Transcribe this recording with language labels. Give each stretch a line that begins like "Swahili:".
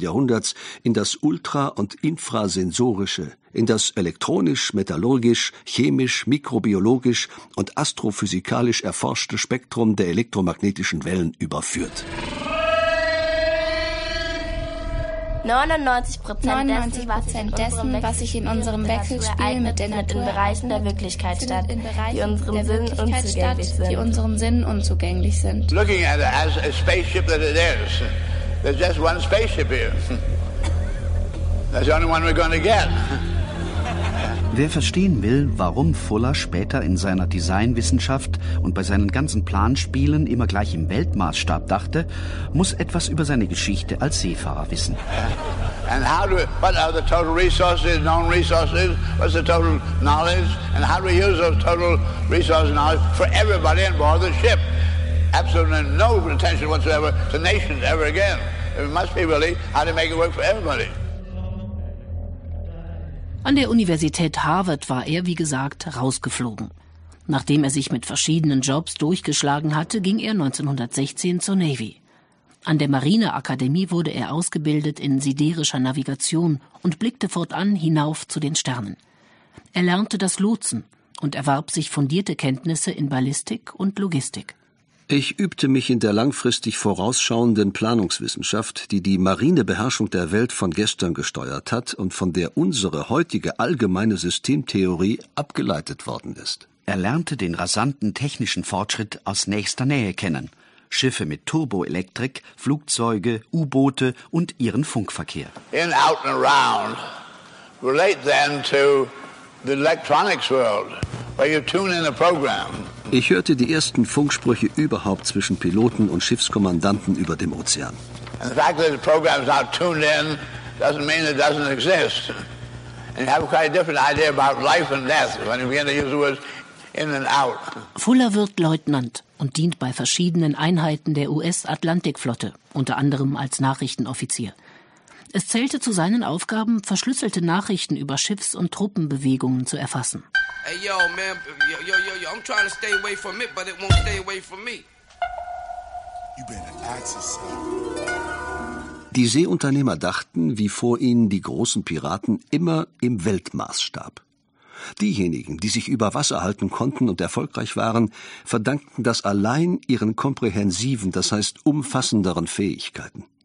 German: Jahrhunderts in das Ultra- und Infrasensorische, in das elektronisch, metallurgisch, chemisch, mikrobiologisch und astrophysikalisch erforschte Spektrum der elektromagnetischen Wellen überführt. 99% dessen, was sich in unserem Wechselspiel mit der Natur in Bereichen der Wirklichkeit statt, die unseren Sinnen unzugänglich sind.
English: Looking at it as a spaceship that it is, there's just one spaceship here. That's the only one we're going to get.
German: Wer verstehen will, warum Fuller später in seiner Designwissenschaft und bei seinen ganzen Planspielen immer gleich im Weltmaßstab dachte, muss etwas über seine Geschichte als Seefahrer wissen.
English: And how do we, what are the total resources, known resources? What's the total knowledge? And how do we use those total resources and knowledge for everybody on board the ship? Absolutely no attention whatsoever to nations ever again. It must be really how to make it work for everybody.
German: An der Universität Harvard war er, wie gesagt, rausgeflogen. Nachdem er sich mit verschiedenen Jobs durchgeschlagen hatte, ging er 1916 zur Navy. An der Marineakademie wurde er ausgebildet in siderischer Navigation und blickte fortan hinauf zu den Sternen. Er lernte das Lotsen und erwarb sich fundierte Kenntnisse in Ballistik und Logistik. Ich übte mich in der langfristig vorausschauenden Planungswissenschaft, die die Marinebeherrschung der Welt von gestern gesteuert hat und von der unsere heutige allgemeine Systemtheorie abgeleitet worden ist. Er lernte den rasanten technischen Fortschritt aus nächster Nähe kennen. Schiffe mit Turboelektrik, Flugzeuge, U-Boote und ihren Funkverkehr.
English: In, out and around relate then to the electronics world, where you tune in a program.
German: Ich hörte die ersten Funksprüche überhaupt zwischen Piloten und Schiffskommandanten über dem Ozean.
English: And the fact that the program is now tuned in doesn't mean it doesn't exist. And you have a quite different idea about life and death when you begin to use the words in and out.
German: Fuller wird Leutnant und dient bei verschiedenen Einheiten der US-Atlantikflotte, unter anderem als Nachrichtenoffizier. Es zählte zu seinen Aufgaben, verschlüsselte Nachrichten über Schiffs- und Truppenbewegungen zu erfassen.
English: Hey yo, man, yo, I'm trying to stay away from it, but it won't stay away from me. You better ask yourself.
German: Die Seeunternehmer dachten, wie vor ihnen die großen Piraten, immer im Weltmaßstab. Diejenigen, die sich über Wasser halten konnten und erfolgreich waren, verdankten das allein ihren komprehensiven, das heißt umfassenderen Fähigkeiten.